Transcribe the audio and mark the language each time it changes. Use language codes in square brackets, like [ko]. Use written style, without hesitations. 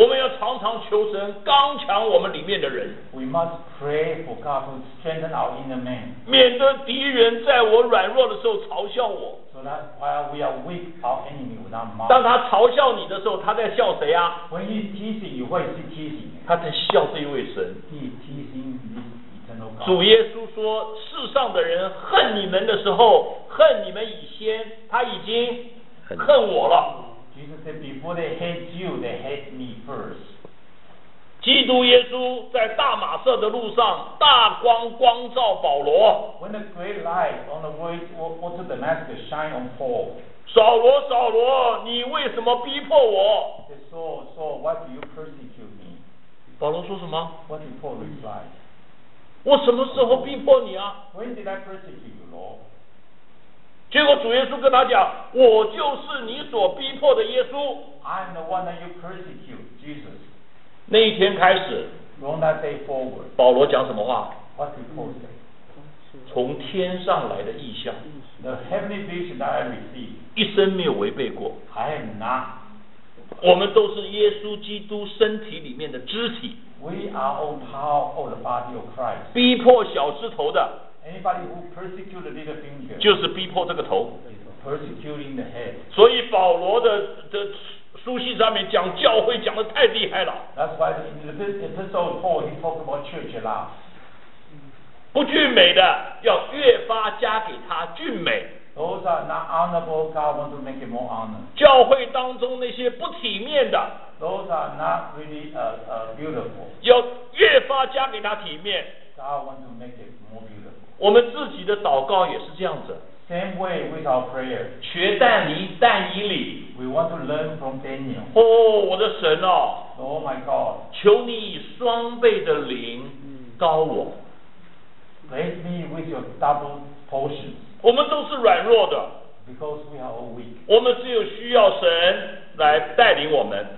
[zh] 我们要常常求神刚强我们里面的人。 [en] We must pray for God to strengthen our inner man. [zh] 免得敌人在我软弱的时候嘲笑我。 [en] So that while we are weak, our enemy will not mock. [zh] 当他嘲笑你的时候，他在笑谁啊 [en] ？When he teases you, what is he teasing? [zh] 他在笑这位神。 [en] He is teasing me. [zh] 主耶稣说世上的人恨你们的时候恨你们以先他已经恨我了 [en] Jesus said before they hate you they hate me first [zh] 基督耶稣在大马色的路上大光光照保罗 [en] When the great light on the way to Damascus shine on Paul [zh] 扫罗扫罗你为什么逼迫我 [en] He said Saul why do you persecute me [zh] 保罗说什么 [en] What did Paul reply [zh] 我什么时候逼迫你啊 [en] ？When did I persecute you, Lord? [zh] 结果主耶稣跟他讲，我就是你所逼迫的耶稣。 [en] I'm the one that you persecute, Jesus. [zh] 那一天开始 [en] ，From that day forward, [zh] 保罗讲什么话 [en] ？What did Paul say? [zh] 从天上来的异象 [en] ，The heavenly vision that I received, [zh] 一生没有违背过。 [en] I am not. [zh] 我们都是耶稣基督身体里面的肢体。 [en] We are all part of the body of Christ. [zh] 逼迫小指头的 [en] ，anybody who persecutes the little finger， [zh] 就是逼迫这个头 [en] ，persecuting the head。 [zh] 所以保罗的书信上面讲教会讲得太厉害了。 [en] That's why in the epistle of Paul he talks about church a lot. [zh] 不俊美的要越发加给他俊美。 [en] Those are not honorable. God wants to make it more honor. [zh] 教会当中那些不体面的。 [en] Those are not really beautiful. [zh] 要越发加给他体面。 [en] God wants to make it more beautiful. [zh] 我们自己的祷告也是这样子。 [en] Same way with our prayer. [zh] 学但尼但以理。 [en] We want to learn from Daniel. [zh] 哦，我的神哦。 [en] Oh my God. [zh] 求你以双倍的灵膏我。 [en] Bless me with your double portion. [zh] 我们都是软弱的 [en] Because we are all weak. [zh] 我们只有需要神来带领我们